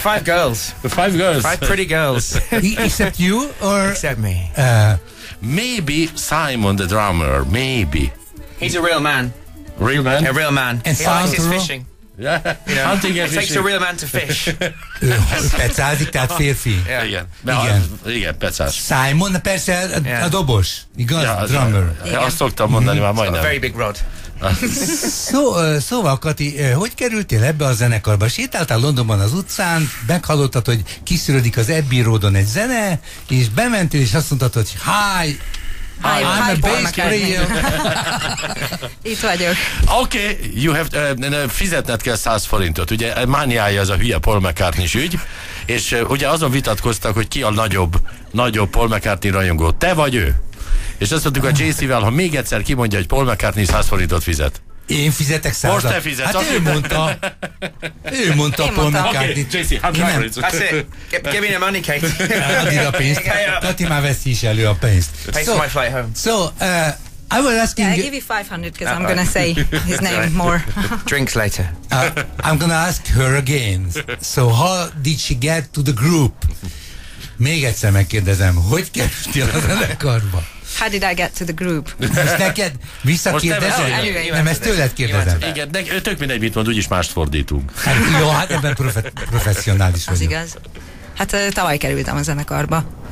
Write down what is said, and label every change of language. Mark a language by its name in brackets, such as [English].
[English] Five girls. Five pretty girls. Except you or? Except me. Maybe Simon the drummer. Maybe. He's a real man. Real man? A real man. And he likes his fishing. Yeah. You know, it takes a real man to fish. [Hungarian] Petszázik, tehát férfi. Igen, petszáz. Simon, persze a dobos, igaz? [English] Yeah, drummer. Yeah. [Hungarian] Azt szoktam mondani, már majdnem. [English] A very big rod. [Hungarian] Szóval, Kati, hogy kerültél ebbe a zenekarba? Sétáltál Londonban az utcán, meghallottad, hogy kiszűrődik az Abbey Roadon egy zene, és bementél, és azt mondtad, hogy [English] hi, I'm a bass player. [Hungarian] Itt vagyok. [English] Okay, you have to, [Hungarian] fizetned kell 100 forintot. Ugye mániája az a hülye Paul McCartney-s ügy, és ugye azon vitatkoztak, hogy ki a nagyobb Paul McCartney rajongó. Te vagy ő? És azt mondtuk a JC-vel, ha még egyszer kimondja, hogy Paul McCartney 100 forintot fizet. Én fizetek 100. Most te fizetsz. Hát ő mondta Paul McCartney-t. Okay, JC, 100 forintot. [English] Give me the money, Kate. [Hungarian] Add a pénzt. Kati már veszi is elő a pénzt. [English] Pay for my flight home. So, I was asking... Yeah, I give you 500, because I'm going to say his name more. Drinks later. I'm going to ask her again. So, how did she get to the group? [Hungarian] Még egyszer megkérdezem, hogy kerültél a zenekarba? [English] How did I get to the group? [Hungarian] Most neked visszakérdezem? Nem, ezt tőled kérdezem. Igen, tök mindegy, mit mond, úgyis mást fordítunk. Jó, hát ebben professzionális vagyok. Az igaz. Hát tavaly kerültem a zenekarba.